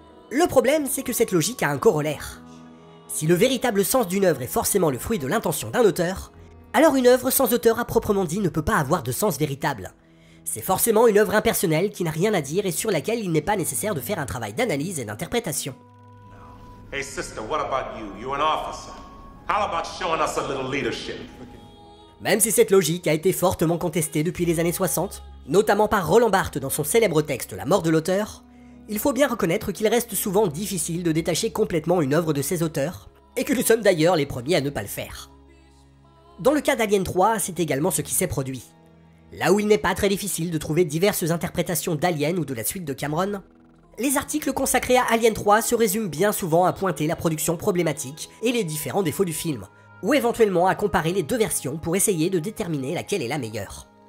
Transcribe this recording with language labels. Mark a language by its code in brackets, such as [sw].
[fr] Le problème, c'est que cette logique a un corollaire. Si le véritable sens d'une œuvre est forcément le fruit de l'intention d'un auteur, alors une œuvre sans auteur à proprement dit ne peut pas avoir de sens véritable. C'est forcément une œuvre impersonnelle qui n'a rien à dire et sur laquelle il n'est pas nécessaire de faire un travail d'analyse et d'interprétation. [en] Hey sister, what about you? You're an officer. How about showing us a little leadership? [fr] Même si cette logique a été fortement contestée depuis les années 60, notamment par Roland Barthes dans son célèbre texte La mort de l'auteur, il faut bien reconnaître qu'il reste souvent difficile de détacher complètement une œuvre de ses auteurs, et que nous sommes d'ailleurs les premiers à ne pas le faire. Dans le cas d'Alien 3, c'est également ce qui s'est produit. Là où il n'est pas très difficile de trouver diverses interprétations d'Alien ou de la suite de Cameron, les articles consacrés à Alien 3 se résument bien souvent à pointer la production problématique et les différents défauts du film, ou éventuellement à comparer les deux versions pour essayer de déterminer laquelle est la meilleure.